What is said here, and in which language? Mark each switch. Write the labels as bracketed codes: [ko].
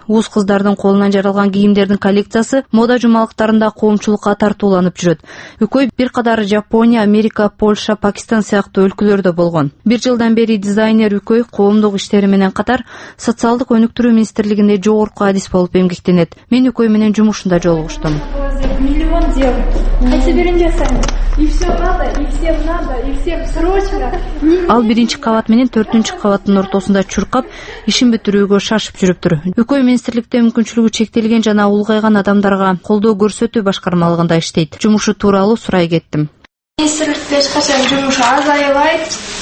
[ky] Уз кыздардын колунан жаралган кийимдердин коллекциясы мода жумалыктарында коомчулукка тартууланып жүрөт. Үкөй бир кадар Жапония, Америка, Польша, Пакистан сыяктуу өлкөлөрдө болгон. Бир жылдан бери дизайнер Үкөй коомдук иштери менен катар социалдык өнүктүрүү министрлигинде жогорку адис болуп эмгектенет. Мен Үкөй менен жумушунда жолугуштум. [ru] Миллион делать. Хотя берем десять. И все надо, и всем надо, и всем срочно. [ky] Ал биринчи кабат менен төртүнчү кабаттын ортосунда чуркап, ишин бүтүрүүгө шашып жүрүптүр. Үкөй министрликте мүмкүнчүлүгү чектелген жана улгайган адамдарга колдоо көрсөтүү башкармалыгында иштейт. Жумушу тууралуу сурай кеттим. Министрликте эч качан жумушу азайбайт.